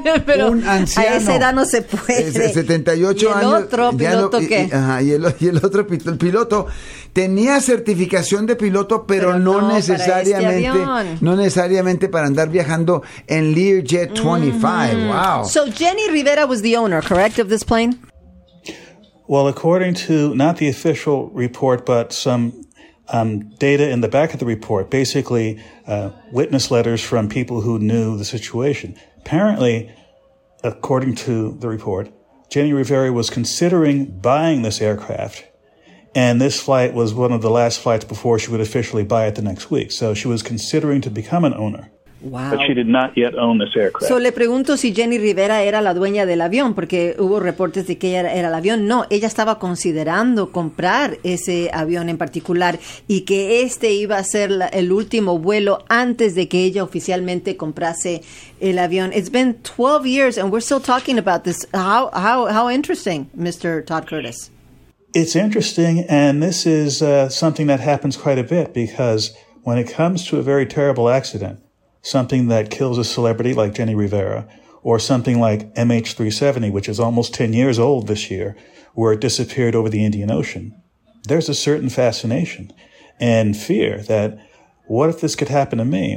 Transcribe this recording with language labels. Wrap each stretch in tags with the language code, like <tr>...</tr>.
<es>Pero un anciano. A esa edad no se puede. 78 años. ¿Y el otro piloto tenía certificación de piloto, pero no necesariamente para andar viajando en Learjet 25. Mm. Wow.</es> <en>So Jenny Rivera was the owner, correct, of this plane? Well, according to not the official report, but some data in the back of the report, basically witness letters from people who knew the situation. Apparently, according to the report, Jenny Rivera was considering buying this aircraft, and this flight was one of the last flights before she would officially buy it the next week. So she was considering to become an owner. Wow. But she did not yet own this aircraft.</en> <es>So le pregunto si Jenny Rivera era la dueña del avión, porque hubo reportes de que ella era el avión. No, ella estaba considerando comprar ese avión en particular y que este iba a ser el último vuelo antes de que ella oficialmente comprase el avión.</es> <en>It's been 12 years and we're still talking about this. How interesting, Mr. Todd Curtis. It's interesting, and this is something that happens quite a bit, because when it comes to a very terrible accident, something that kills a celebrity like Jenny Rivera, or something like MH370, which is almost 10 years old this year, where it disappeared over the Indian Ocean, there's a certain fascination and fear that, what if this could happen to me?</en>